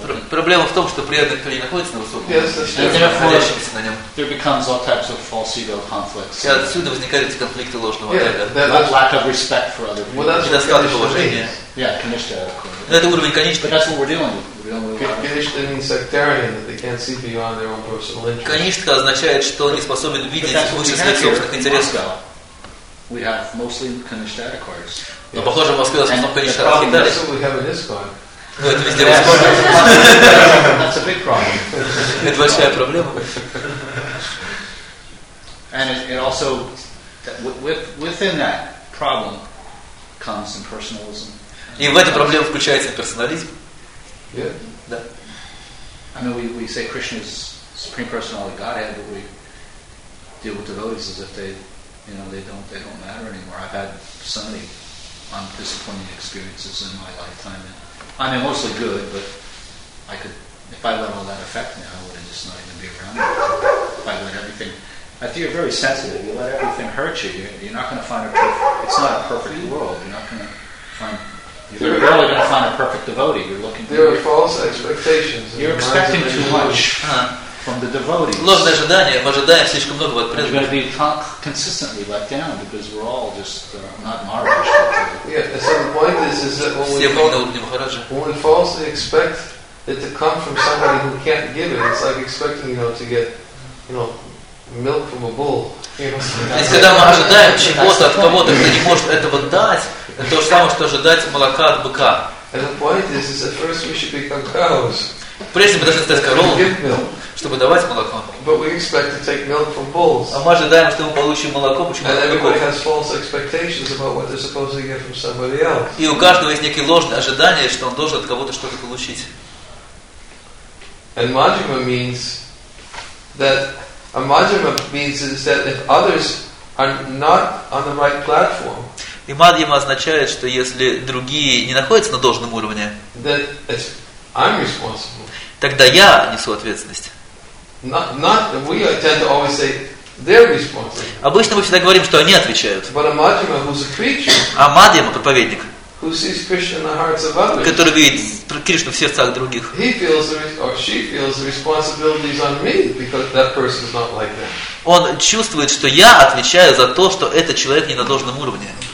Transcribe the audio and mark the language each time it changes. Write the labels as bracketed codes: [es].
[ru] Проблема в том, что преданный, кто не находится на высоком уровне, находящийся на нем. [en] There becomes all types of false ego conflicts. [ru] И отсюда возникают эти конфликты ложного эго. [en] Yeah, lack of respect for other people. Well, that's what Kanishtha means. Yeah, Kanishtha. But that's what we're dealing with. Kanishtha means sectarian, that they can't see beyond their own personal interests. [ru] Kanishtha означает, что он не способен видеть выше своих собственных интересов. [en] We have mostly Kanishtha accords. [ru] Но похоже, в Москве у нас много Kanishtha [en] accords. That's a big problem. [ru] Это большая проблема. [en] And it also within that problem comes impersonalism. [ru] И в эту проблему включается персонализм. [en] Yeah. [ru] Да. [en] I mean, we say Krishna's supreme personality, Godhead, but we deal with devotees as if they don't matter anymore. I've had so many disappointing experiences in my lifetime. I mean, mostly good, but I could, if I let all that affect me, I wouldn't just not even be around. If I let everything, I think you're very sensitive. You let everything hurt you. You're not going to find a perfect. It's not a perfect world. You're not going to find. You're rarely going to find a perfect devotee. You're looking. There are false expectations. You're expecting too much from the devotees. [ru] Ложные ожидания. Мы ожидаем слишком много от преданных. [en] You're going to be consistently let down because we're all just not Maharaj. Yeah, so the point is that when we falsely expect it to come from somebody who can't give it, it's like expecting, to get, milk from a bull. [ru] Если мы ожидаем чего-то от кого-то, кто не может этого дать, то же самое, что ожидать молока от быка. [en] And the point is that first we should become cows. [ru] Прежде мы должны стать коровами, чтобы давать молоко. [en] But we expect to take milk from bulls. [ru] А мы ожидаем, что мы получим молоко, почему? [en] And everybody has false expectations about what they're supposed to get from somebody else. [ru] И у каждого есть некие ложные ожидания, что он должен от кого-то что-то получить. [en] And Madhyama means that a Madhyama means is that if others are not on the right platform. [ru] И Мадхьяма означает, что если другие не находятся на должном уровне, [en] then it's I'm responsible. [ru] Тогда я несу ответственность. [en] Not we tend to always say they're responsible. [ru] Обычно мы всегда говорим, что они отвечают. [en] But a Madhyama who's a preacher. [ru] А Мадхьяма проповедник. [en] who sees Krishna in the hearts of others, [ru] который видит Кришну в сердцах других, [en] he feels or she feels the responsibilities on me because that person is not like that. [ru] Он чувствует, что я отвечаю за то, что этот человек не на должном уровне.